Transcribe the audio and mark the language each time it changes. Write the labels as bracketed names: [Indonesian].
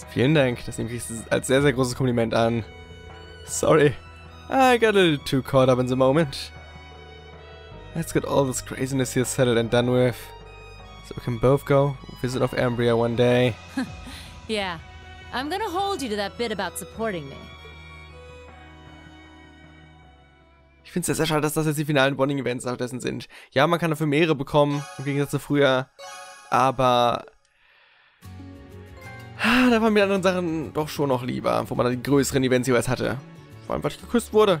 [German] Vielen Dank, das nehme ich als sehr, sehr großes Kompliment an. [English] Sorry, I got a little too caught up in the moment. Let's get all this craziness here settled and done with. So we can both go visit Northumbria one day. Yeah. I'm gonna hold you to that bit about supporting me. [German] Ich find's sehr schade, dass das jetzt die finalen Bonding Events auch dessen sind. Ja, man kann dafür mehrere bekommen, im Gegensatz zu früher. Aber. Da waren mir andere Sachen doch schon noch lieber, wo man dann die größeren Events jeweils hatte. Vor allem, weil ich geküsst wurde.